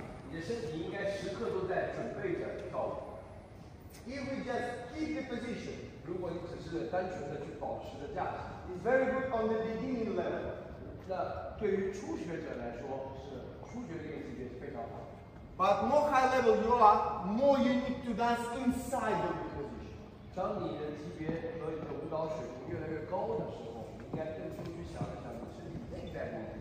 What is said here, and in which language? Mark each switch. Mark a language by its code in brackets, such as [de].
[zh] 你的身体应该时刻都在准备着跳舞。 [en] If we just keep the position, [zh] 如果你只是单纯的去保持着架势 [en] ，it's very good on the beginning level. [zh] 那对于初学者来说，是初学的一个级别是非常好的。 [en] But more high level you are, more you need to dance inside of the position. [zh] 当你的级别和你的舞蹈水平越来越高的时候，你应该更多去想一想你身体内在的。